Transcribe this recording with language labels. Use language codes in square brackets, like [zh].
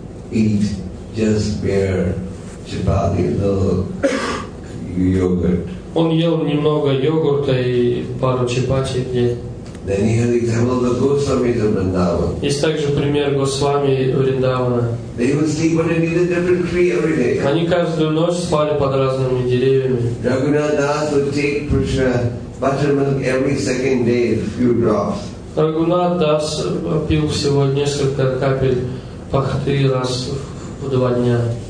[en] Eat just bare chapati, yogurt. [ru] Он ел немного йогурта и пару чапати в день. [en] Then he had the example of the Госвамис of Вриндавана. [ru] Есть также пример Госвами Вриндавана. [en] They would sleep underneath a different tree every day. [ru] Они каждую ночь спали под разными деревьями. [en] Raghunath Das would take Prashna buttermilk every second day, a few drops. [ru] Рагунат Дас пил всего несколько капель пахты раз в 2 дня.